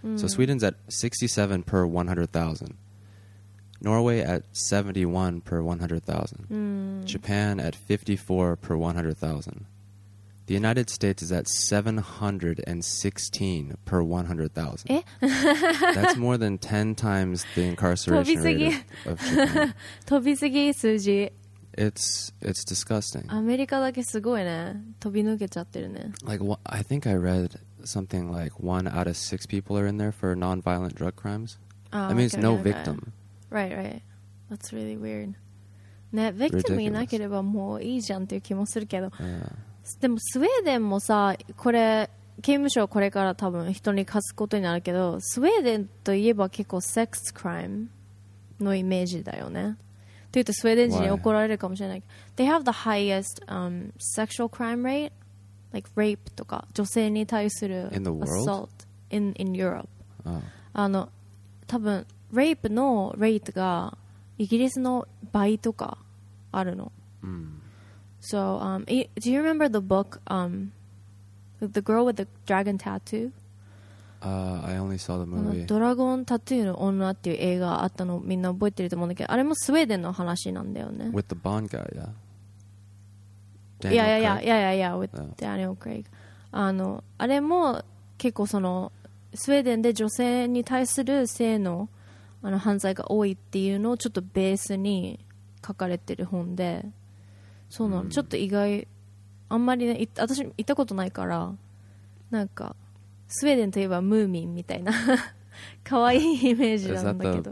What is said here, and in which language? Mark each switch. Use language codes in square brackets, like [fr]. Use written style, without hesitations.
[en] So Sweden's at 67 per 100,000. Norway at 71 per 100,000. Japan at 54 per 100,000. The United States is at 716 per 100,000. [ja] え? [en] That's more than 10 times the incarceration rate of Japan. [ja] 飛びすぎ数字。 [en] It's disgusting. [ja] アメリカだけすごいね。飛び抜けちゃってるね。 [en] Like, I think I read something like one out of six people are in there for non-violent drug crimes. That means no victim. Right, right. That's really weird. [ja] ね、victim いなければもういいじゃんっていう気もするけど。でもスウェーデンもさ、これ刑務所これから多分人に貸すことになるけど、スウェーデンといえば結構セックスクライムのイメージだよね。というとスウェーデン人に怒られるかもしれない。 [en] Why? They have the highest sexual crime rate, like rape [ja] とか女性に対する [en] assault in Europe、 oh. [ja] 多分 rape の rate がイギリスの倍とかあるの、 mm. [en] So, do you remember the book, The Girl with the Dragon Tattoo? I only saw the movie. [ja] ドラゴンタトゥーの女っていう映画あったのみんな覚えてると思うんだけど、あれもスウェーデンの話なんだよね。 [en] With the Bond guy, yeah. Yeah, with Daniel Craig. [ja] あれも結構そのスウェーデンで女性に対する性の、あの犯罪が多いっていうのをちょっとベースに書かれてる本で、そうなの、うん、ちょっと意外、あんまりね、私行ったことないから、なんかスウェーデンといえばムーミンみたいな可愛いイメージなんだけど。